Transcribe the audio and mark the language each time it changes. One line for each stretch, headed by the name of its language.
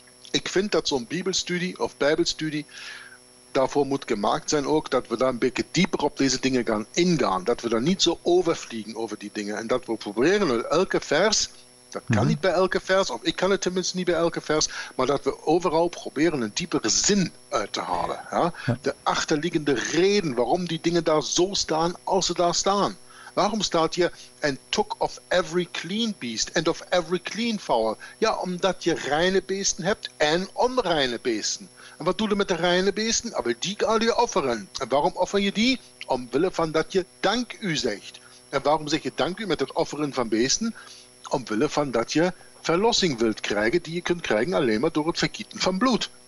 Dutch: Ik vind dat zo'n bibelstudie of bijbelstudie daarvoor moet gemaakt zijn ook, dat we daar een beetje dieper op deze dingen gaan ingaan. Dat we daar niet zo overvliegen over die dingen. En dat we proberen met elke vers, dat kan niet bij elke vers, of ik kan het tenminste niet bij elke vers, maar dat we overal proberen een diepere zin uit te halen. Ja? De achterliggende reden waarom die dingen daar zo staan als ze daar staan. Waarom staat hier,
English: and took of every clean beast and of every clean fowl?
Dutch: Ja, omdat je reine beesten hebt en onreine beesten. En wat doe je met de reine beesten? Aber die kan je offeren. En waarom offer je die? Omwille van dat je dank u zegt. En waarom zeg je dank u met het offeren van beesten? Omwille van dat je verlossing wilt krijgen, die je kunt krijgen alleen maar door het vergieten van bloed.